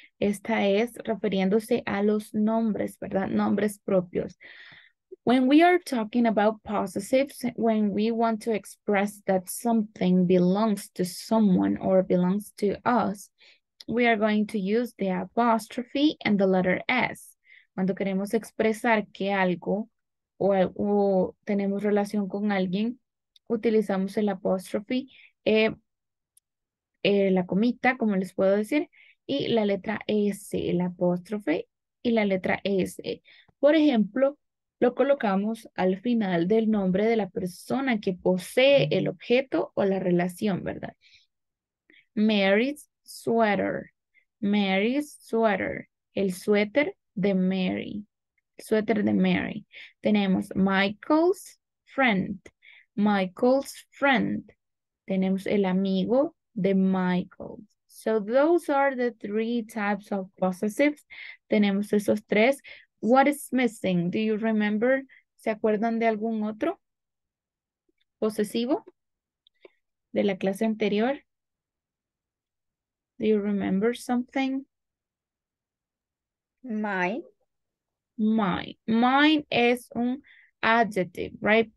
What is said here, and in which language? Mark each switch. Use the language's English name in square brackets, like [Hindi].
[Spanish] Esta es refiriéndose a los nombres, ¿verdad? Nombres propios. [English] When we are talking about possessives, when we want to express that something belongs to someone or belongs to us, we are going to use the apostrophe and the letter S. [Spanish] Cuando queremos expresar que algo o tenemos relación con alguien, utilizamos el apostrophe, la comita, como les puedo decir, y la letra S, el apostrophe y la letra S. Por ejemplo, lo colocamos al final del nombre de la persona que posee el objeto o la relación, ¿verdad? [English] Mary's sweater. Mary's sweater. [Spanish] El suéter de Mary. El suéter de Mary. Tenemos [English] Michael's friend. Michael's friend. [Spanish] Tenemos el amigo de Michael. [English] So those are the three types of possessives. [Spanish] Tenemos esos tres. [English] What is missing? Do you remember? [Spanish] ¿Se acuerdan de algún otro posesivo de la clase anterior? [English] Do you remember something? Mine. Mine [Spanish] es un [English] adjective, right?